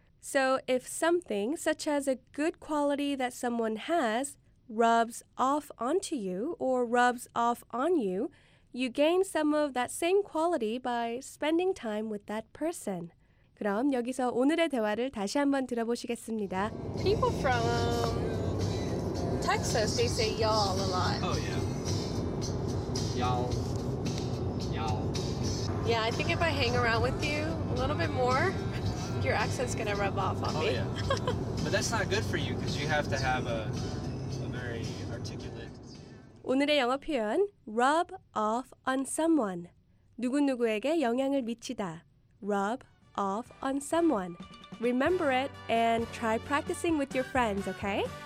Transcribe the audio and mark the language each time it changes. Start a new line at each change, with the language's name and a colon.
English: So if something such as a good quality that someone has rubs off onto you or rubs off on you, you gain some of that same quality by spending time with that person.
Korean: 그럼 여기서 오늘의 대화를 다시 한번 들어보시겠습니다.
English: People from Texas, they say y'all a lot. Oh, yeah. Y'all. Y'all. Yeah, I think if I hang around with you a little bit more, your accent's gonna rub off on me. Oh, yeah. But that's not good for you because you have to have a very articulate...
Korean: 오늘의 영어 표현, rub off on someone. 누구누구에게 영향을 미치다.
English: Rub off on someone. Remember it and try practicing with your friends, okay?